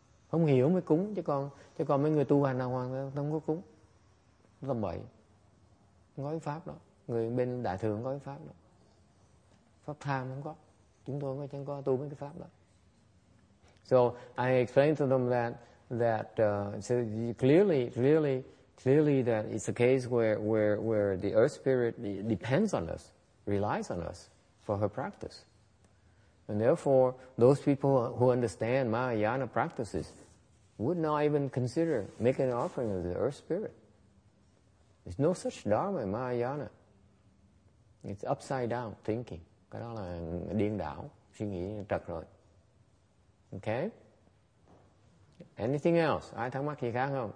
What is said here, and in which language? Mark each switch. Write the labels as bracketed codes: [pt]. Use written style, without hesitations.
[vi] Không hiểu mới cúng, chứ còn mấy người tu hành nào hoàng không có cúng. Nó tầm bậy. Không có cái pháp đó. Người bên đại thường không có cái pháp đó. Pháp tham không có. Chúng tôi không có, chẳng có tu mấy cái pháp đó. [en] So I explained to them that clearly that it's a case where the earth spirit depends on us, relies on us for her practice. And therefore, those people who understand Mahayana practices would not even consider making an offering of the earth spirit. There's no such dharma in Mahayana. It's upside down thinking. [vi] Cái đó là điên đảo, suy nghĩ trật rồi. [en] Okay? Anything else? [vi] Ai thắc mắc gì khác không?